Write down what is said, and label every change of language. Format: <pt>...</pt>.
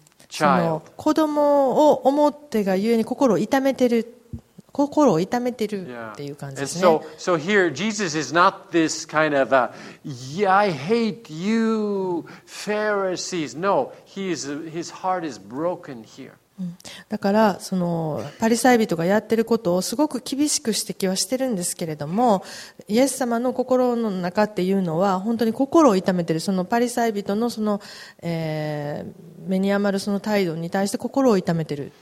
<ja>その子供を思ってがゆえに心を痛めてる、心を痛めてるっていう感じですね。</ja> <en>So here Jesus is not this kind of a, yeah, I hate you Pharisees. No, his heart is broken here.</en> <ja>だからそのパリサイ人がやってることをすごく厳しく指摘はしてるんですけれども、イエス様の心の中っていうのは本当に心を痛めてる、そのパリサイ人のその、目に余るその態度に対して心を痛めてる。</ja>